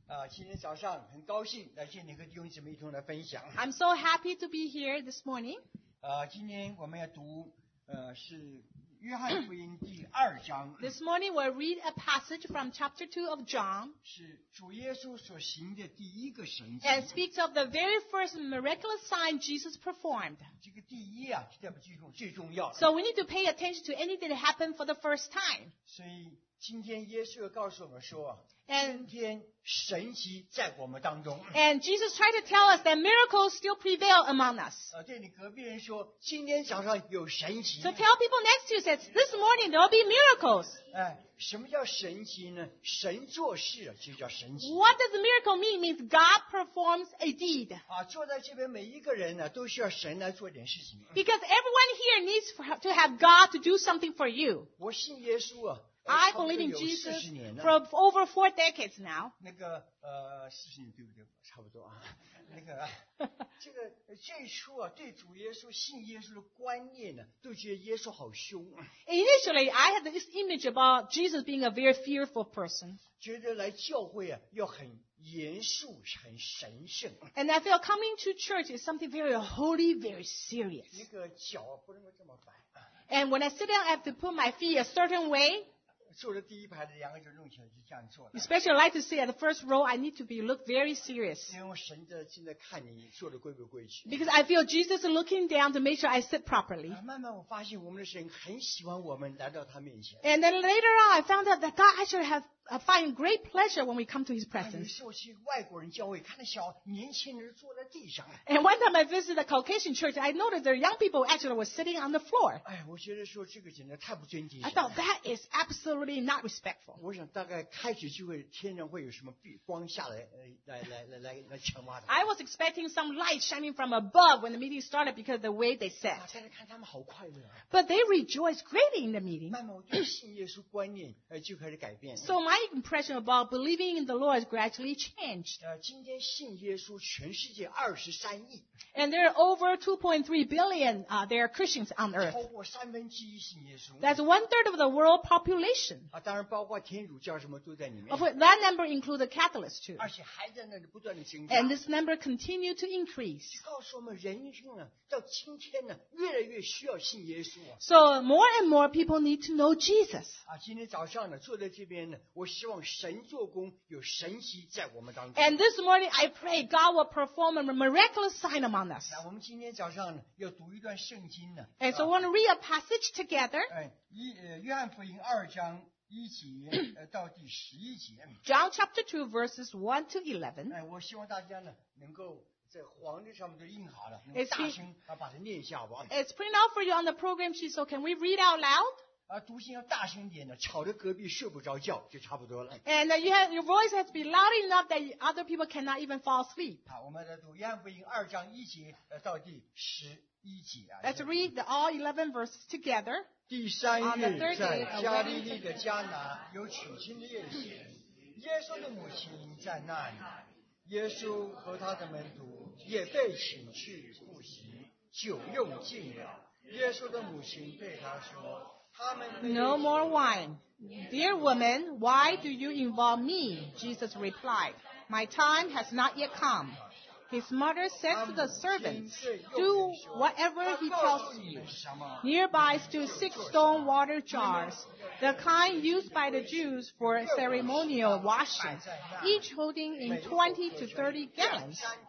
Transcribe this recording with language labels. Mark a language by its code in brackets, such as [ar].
[zh] 今天早上很高兴来见你和弟兄姐妹一同来分享。 [en] I'm so happy to be here this morning. [zh] 今天我们要读是约翰福音第二章。 [en] This morning we'll read a passage from chapter 2 of John. [zh] 是主耶稣所行的第一个神迹。 [en] And speaks of the very first miraculous sign Jesus performed. [zh] 这个第一啊，这代表最重最重要的。 [en] So we need to pay attention to anything that happened for the first time. [zh] 所以今天耶稣要告诉我们说，今天神迹在我们当中。 [en] And Jesus tried to tell us that miracles still prevail among us. [zh] 对你隔壁人说，今天早上有神迹。 [en] So tell people next to you that this morning there will be miracles. [zh] 什么叫神迹呢？神做事就叫神迹。 [en] What does miracle mean? It means God performs a deed. [zh] 坐在这边每一个人呢，都需要神来做点事情。 [en] Because everyone here needs to have God to do something for you. [zh] 我信耶稣啊。 [en] I believe in Jesus for over four decades now. [zh] 那个四十年对不对？差不多啊。那个这个最初啊，对主耶稣信耶稣的观念呢，都觉得耶稣好凶。 [en] Initially, I had this image about Jesus being a very fearful person. [zh] 觉得来教会啊，要很严肃、很神圣。 [en] And I feel coming to church is something very holy, very serious. [zh] 那个脚不能够这么摆。 [en] And when I sit down, I have to put my feet a certain way. [zh] 坐在第一排的两个就弄起来就这样坐。 [en] Especially like to see at the first row, I need to be look very serious. [zh] 因为神在正在看你坐的规不规矩。 [en] Because I feel Jesus looking down to make sure I sit properly. [zh] 慢慢我发现我们的神很喜欢我们来到他面前。 [en] And then later on, I found out that God actually have find great pleasure when we come to His presence. [zh] 尤其是外国人教会，看到小年轻人坐在地上。 [en] And one time I visited a Caucasian church, I noticed their young people actually were sitting on the floor. [zh] 我觉得说这个简直太不尊敬。 [en] I thought that is absolutely not respectful. [zh] 我想大概开始就会天然会有什么光下来来惩罚他。 [en] I was expecting some light shining from above when the meeting started because of the way they sat. [zh] 大家看他们好快乐。 [en] But they rejoiced greatly in the meeting. [zh] 慢慢我对信耶稣观念就开始改变。 [en] So my impression about believing in the Lord has gradually changed. [zh] 今天信耶稣全世界23亿。 [en] And there are over 2.3 billion there are Christians on earth. [zh] 超过三分之一信�e稣。 [en] That's one third of the world population. [zh] 当然包括天主教什么都在里面。 [en] Of course, that number includes the Catholics too. [zh] 而且还在那里不断的增加。 [en] And this number continues to increase. [zh] 告诉我们人生啊，到今天呢，越来越需要信耶稣啊。 [en] So more and more people need to know Jesus. [zh] 今天早上呢，坐在这边呢，我希望神做工，有神迹在我们当中。 [en] And this morning I pray God will perform a miraculous sign among us. [zh] 那我们今天早上呢，要读一段圣经呢。 [en] And so I want to read a passage together. [zh] 约翰福音二章。一节到第十一节。 [en] John chapter 2 verses 1 to 11. [zh] 我希望大家呢能够在黄历上面都印好了，能大声把它念一下吧。 [en] It's printed out for you on the program sheet, so can we read out loud? [zh] 读信要大声点的，吵得隔壁睡不着觉就差不多了。 [en] And your voice has to be loud enough that other people cannot even fall asleep. [zh] 好，我们来读约翰福音二章一节到第十一节。 [en] Let's read all 11 verses together. [zh] 第三日，在加利利的迦拿有娶亲的宴席，耶稣的母亲在那里，耶稣和他的门徒也被请去赴席，酒用尽了，耶稣的母亲对他说，他们 [en] No more wine. Dear woman, why do you involve me? Jesus replied, My time has not yet come. His mother said to the servants, Do whatever he tells you. Nearby stood six stone water jars, the kind used by the Jews for ceremonial washing, each holding in 20 to 30 gallons.